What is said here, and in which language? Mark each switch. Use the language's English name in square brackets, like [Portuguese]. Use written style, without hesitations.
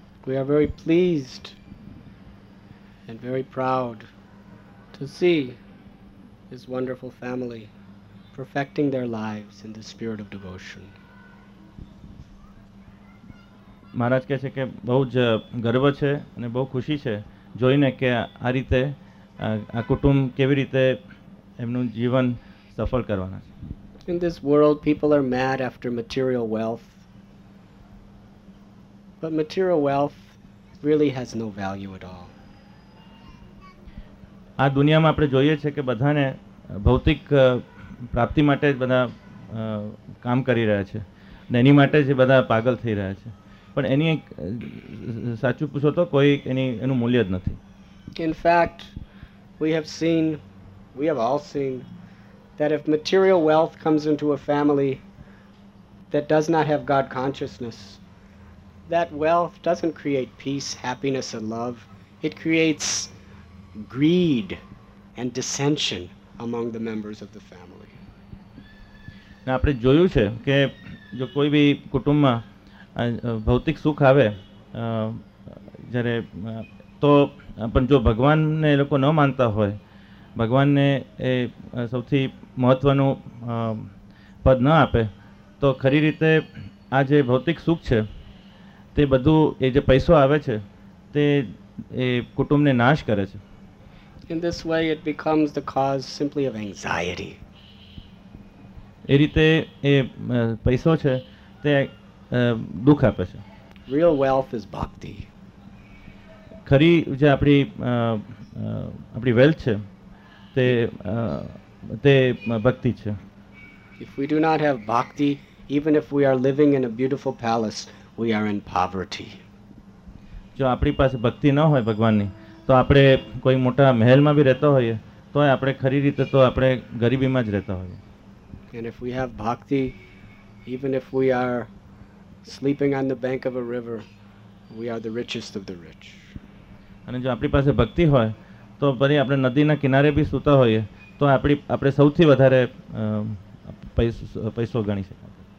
[English] We are very pleased and very proud to see this wonderful family perfecting their lives in the spirit of devotion. [Gujarati] મહારાજ કહે છે કે બહુ જ ગર્વ છે અને બહુ ખુશી છે જોઈને કે આ રીતે આ કુટુંબ કેવી રીતે એમનું જીવન સફળ કરવાના છે. [English] In this world, people are mad after material wealth. But material wealth really has no value at all. [Gujarati] આ દુનિયામાં આપણે જોઈએ છે કે બધાને ભૌતિક પ્રાપ્તિ માટે જ બધા કામ કરી રહ્યા છે અને એની માટે જ બધા પાગલ થઈ રહ્યા છે, પણ એની એક સાચું પૂછો તો કોઈ એની એનું મૂલ્ય જ નથી. [English] In fact, we have all seen that if material wealth comes into a family that does not have God consciousness, that wealth doesn't create peace, happiness and love. It creates greed and dissension among the members of the family. [Gujarati] ના, આપણે જોયું છે કે જો કોઈ ભી કુટુંબમાં ભૌતિક સુખ આવે જ્યારે તો, પણ જો ભગવાનને એ લોકો ન માનતા હોય, ભગવાનને એ સૌથી મહત્ત્વનું પદ ન આપે, તો ખરી રીતે આ જે ભૌતિક સુખ છે તે બધું, એ જે પૈસો આવે છે તે એ કુટુંબને નાશ કરે છે. [English] In this way it becomes the cause simply of anxiety. [Gujarati] એ રીતે એ પૈસો છે તે દુઃખ આપે છે. [English] Real wealth is bhakti. [Gujarati] ખરી જે આપણી આપણી વેલ્થ છે તે તે ભક્તિ છે. [English] If we do not have bhakti, even if we are living in a beautiful palace, we are in poverty. [Gujarati] જો આપણી પાસે ભક્તિ ન હોય ભગવાનની, તો આપણે કોઈ મોટા મહેલમાં બી રહેતા હોઈએ તો આપણે ખરી રીતે તો આપણે ગરીબીમાં જ રહેતા હોઈએ. [English] And if we have bhakti, even if we are sleeping on the bank of a river, we are the richest of the rich. [Gujarati] અને જો આપણી પાસે ભક્તિ હોય તો ભલે આપણે નદીના કિનારે બી સૂતા હોઈએ તો આપણે સૌથી વધારે પૈસો ગણી શકાય.